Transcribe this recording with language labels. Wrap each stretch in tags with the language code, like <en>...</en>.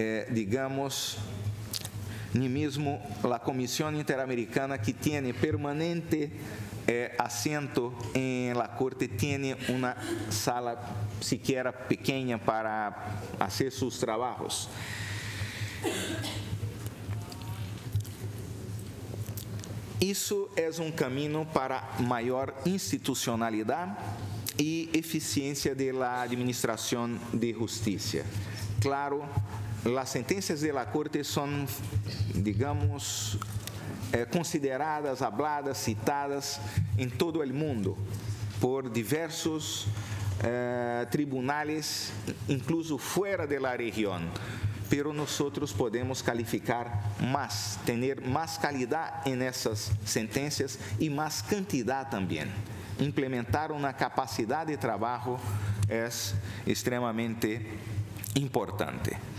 <es>Digamos, ni mismo la Comisión Interamericana, que tiene permanente asiento en la Corte, tiene una sala siquiera pequeña para hacer sus trabajos.</es> <pt>Isso é um caminho para maior institucionalidade e eficiência da administração de justiça. Claro, as sentenças da Corte são, digamos, consideradas, habladas, citadas em todo o mundo por diversos tribunais, incluso fora da região.</pt> <es>Pero nosotros podemos calificar más, tener más calidad en esas sentencias y más cantidad también. Implementar una capacidad de trabajo es extremadamente importante.</es>